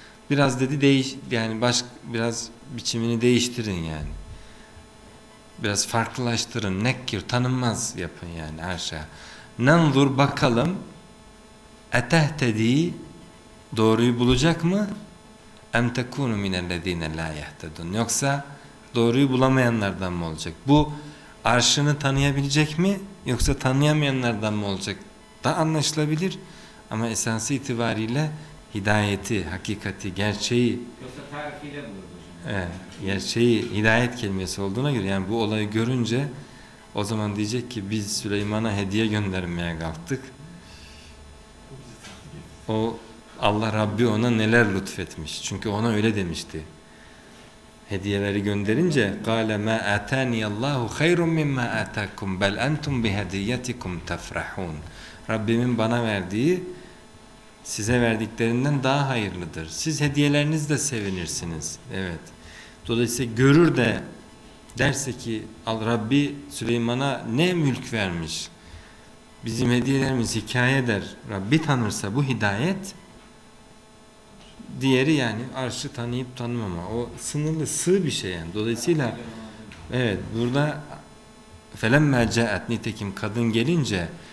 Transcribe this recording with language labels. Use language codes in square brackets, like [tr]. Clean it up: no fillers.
[tr] Biraz dedi değiş, yani biraz biçimini değiştirin yani. Biraz farklılaştırın. [ar] نَكِّرُوا [tr] tanınmaz yapın yani [ar] عَرْشَهَا نَنْظُرْ [tr] bakalım [ar] اَتَهْتَد۪ي [tr] doğruyu bulacak mı? [ar] اَمْ تَكُونُ مِنَ الَّذ۪ينَ لَا يَهْتَدُونَ [tr] yoksa doğruyu bulamayanlardan mı olacak? Bu arşını tanıyabilecek mi? Yoksa tanıyamayanlardan mı olacak da anlaşılabilir ama esası itibariyle hidayeti, hakikati, gerçeği yoksa tarifiyle mi olacak? Gerçeği, hidayet kelimesi olduğuna göre yani bu olayı görünce o zaman diyecek ki biz Süleyman'a hediye göndermeye kalktık. O Allah Rabbi ona neler lütfetmiş çünkü ona öyle demişti. Hediyeleri gönderince [ar] قَالَ مَا اَتَانِيَ اللّٰهُ خَيْرٌ مِمَّا اَتَاكُمْ بَلْ اَنْتُمْ بِهَدِيَّتِكُمْ تَفْرَحُونَ [tr] Rabbimin bana verdiği size verdiklerinden daha hayırlıdır. Siz hediyelerinizle sevinirsiniz. Evet. Dolayısıyla görür de derse ki al Rabbi Süleyman'a ne mülk vermiş. Bizim hediyelerimiz hikaye eder. Rabbi tanırsa bu hidayet diğeri yani arşı tanıyıp tanımama o sınırlı sığ bir şey yani dolayısıyla evet burada felemme ca'at nitekim kadın gelince